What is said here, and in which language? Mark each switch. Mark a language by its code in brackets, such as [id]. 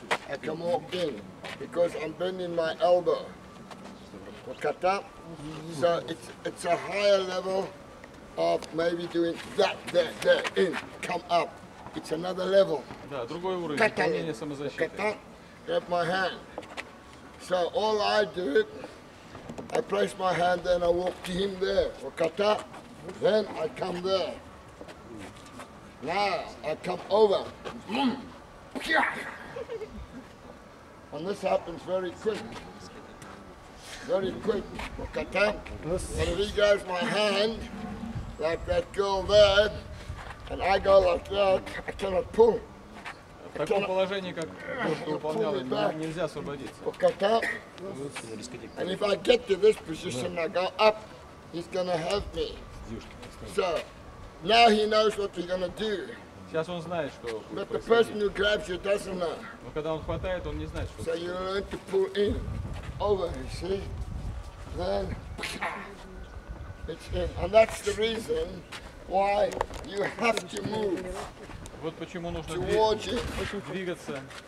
[en] I can walk in because I'm bending my elbow. Kata. So it's a higher level of maybe doing that, there, in, come up. It's another level. [ru] Да, другой уровень. Кататание самозащиты. [en] grab my hand. So all I do, I place my hand and I walk to him there, for kata. Then I come there. Now I come over. And this happens very quick. Very quick. Kata. And if he grabs my hand, like that girl there, and I go like that, I cannot pull. [ru] В таком положении, как то, что выполнял, нельзя освободиться. [en] And if I get to this position, I go up, he's gonna help me. So, now he knows what he's gonna do. [ru] Сейчас он знает, что [en] But the person who grabs you doesn't know. [ru] Но когда он хватает, он не знает, что [en] So you learn to pull in, over, you see? Then, it's in. And that's the reason why you have to move. [ru] Вот почему нужно двигаться.